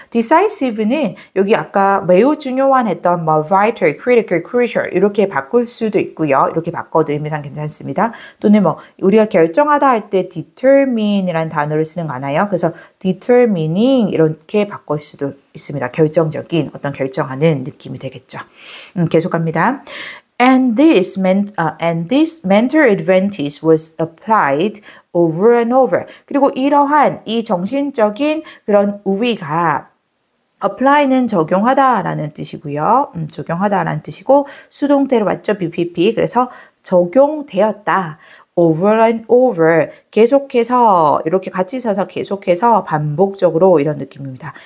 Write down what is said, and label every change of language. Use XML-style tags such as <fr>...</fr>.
<ko>Decisive는 여기 아까 매우 중요한 했던 뭐 vital, critical, crucial 이렇게 바꿀 수도 있고요. 이렇게 바꿔도 의미상 괜찮습니다. 또는 뭐 우리가 결정하다 할때 determine 이란 단어를 쓰는 거 아나요? 그래서 determining 이렇게 바꿀 수도 있습니다. 결정적인 어떤 결정하는 느낌이 되겠죠. 계속 갑니다.</ko> <en>And this mental advantage was applied over and over.</en> <ko>그리고 이러한 이 정신적인 그런 우위가 apply는 적용하다라는 뜻이고요. 적용하다라는 뜻이고 수동태로 왔죠. BPP. 그래서 적용되었다. over and over, 계속해서 이렇게 같이 써서 계속해서 반복적으로 이런 느낌입니다.</ko>